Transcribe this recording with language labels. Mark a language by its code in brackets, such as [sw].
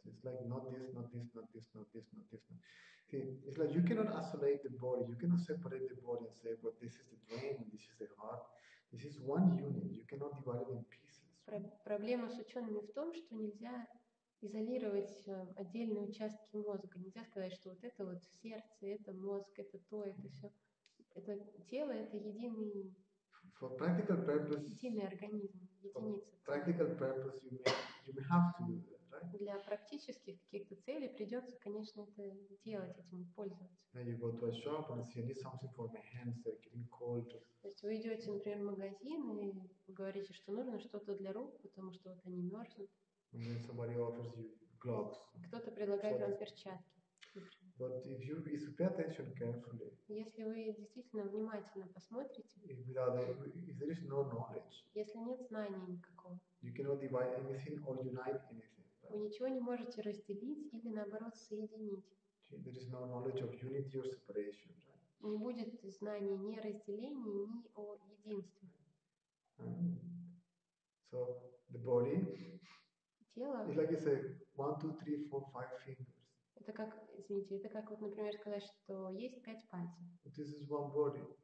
[en] It's like not this, not this, not this, not this, not this, not this. See, it's like you cannot isolate the body. You cannot separate the body and say, "Well, this is the brain, this is the heart. This is one unit. You cannot divide it in pieces." [ru] Проблема с учеными в том, что нельзя изолировать отдельные участки мозга. Нельзя сказать, что вот это вот сердце, это мозг, это то, это все. Это тело, это единый. [en] For practical purpose. [ru] Единый организм, единица. [en] Practical purpose, you may have to do that, right? [ru] Для практических каких-то целей придется, конечно, это делать, этим пользоваться. [en] Then you go to a shop and say, "I need something for my hands. They're getting cold." [ru] То есть вы идете, например, в магазин и говорите, что нужно что-то для рук, потому что вот они мерзнут. [en] And then somebody offers you gloves. [ru] Кто-то предлагает вам перчатки. [en] But if you pay attention carefully, [ru] если вы действительно внимательно посмотрите, [en] if there is no knowledge, [ru] если нет знания никакого, [en] you cannot divide anything or unite anything, right? [ru] Вы ничего не можете разделить или наоборот соединить. [en] Okay, there is no knowledge of unity or separation, right? [ru] Не будет знания ни о разделении, ни о единстве. [en] So the body, [ru] тело, [en] it's like you say 1, 2, 3, 4, 5 fingers. [ru] Это как, извините, это как вот, например, сказать, что есть 5 пальцев. [en] This is one body.